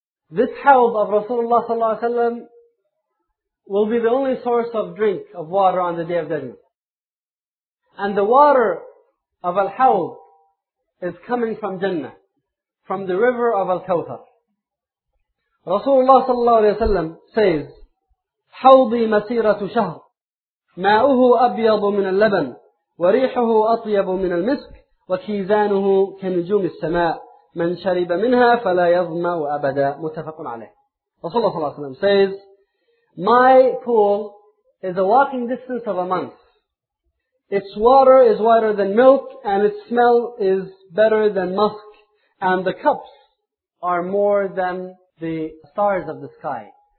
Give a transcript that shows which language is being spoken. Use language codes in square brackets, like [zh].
[en] This hawb of Rasulullah sallallahu alayhi wa sallam will be the only source of drink, of water on the Day of Judgment. And the water of al-hawb is coming from Jannah, from the river of Al-Kawthar. [ar] Rasulullah sallallahu alayhi wa sallam says, حوضي مسيرة شهر ماءه أبيض من اللبن وريحه أطيب من المسك وكيزانه كنجوم السماء من شرب منها فلا يظمأ أبدا. متفق عليه. [en] Rasulullah sallallahu alayhi wa sallam says, my pool is a walking distance of a month. Its water is whiter than milk, and its smell is better than musk, and the cups are more than the stars of the sky.